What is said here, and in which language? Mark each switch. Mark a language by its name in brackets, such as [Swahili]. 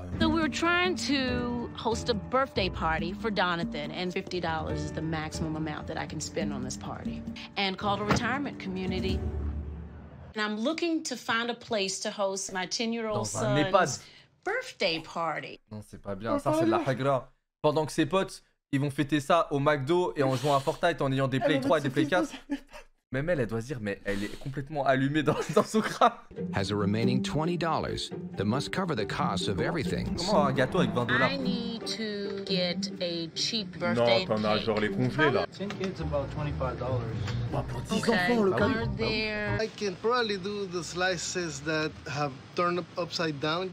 [English] So we were trying to host a birthday party for Donathan and $50 is the maximum amount that I can spend on this party. And called a retirement community. And I'm looking to find a place to host my 10-year-old son's birthday party. [French] Non, c'est pas bien. Ça, c'est de la hagra. Pendant que ses potes, ils vont fêter ça au McDo et en jouant à Fortnite en ayant des Play 3 et des Play 4. Même elle doit se dire, mais elle est complètement allumée dans son crâne. [English] Has a remaining $20 that must cover the cost of everything. [French] Comment un gâteau avec $20? [English] I need to get a cheap birthday cake. [French] Non, t'en as genre les congelés là. [English] 10 kids about $25. [French] Bah pour 10 okay. enfants le cadeau. [English] I can probably do the slices that have turned upside down.